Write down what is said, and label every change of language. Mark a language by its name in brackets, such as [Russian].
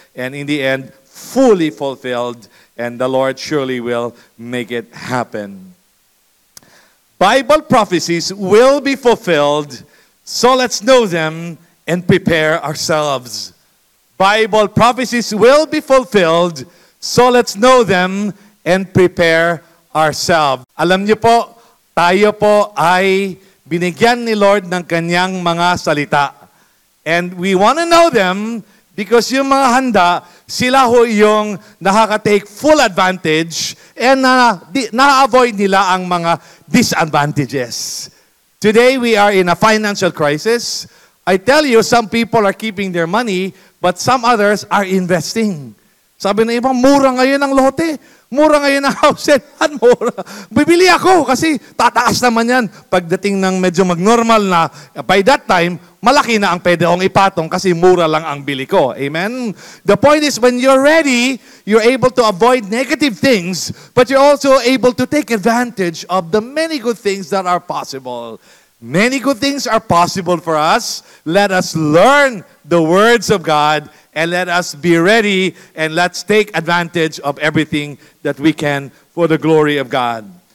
[English] And in the end, fully fulfilled. And the Lord surely will make it happen. Bible prophecies will be fulfilled, so let's know them and prepare ourselves. Bible prophecies will be fulfilled, so let's know them and prepare ourselves. [Filipino] Alam niyo po, tayo po ay binigyan ni Lord ng kanyang mga salita. [English] And we want to know them because [Filipino] yung mga handa, sila ho yung [English] nakaka-take full advantage and [Filipino] na-avoid nila ang mga [English] disadvantages. Today, we are in a financial crisis. I tell you, some people are keeping their money, but some others are investing. [Filipino] Sabi ng ibang, mura ngayon ang lote. Mura ngayon ang house. At mura. Bibili ako kasi tataas naman yan. Pagdating ng medyo mag-normal na, [English] by that time, [Filipino] malaki na ang pwede kong ipatong kasi mura lang ang bili ko. [English] Amen? The point is, when you're ready, you're able to avoid negative things, but you're also able to take advantage of the many good things that are possible. Many good things are possible for us. Let us learn the words of God and let us be ready and let's take advantage of everything that we can for the glory of God.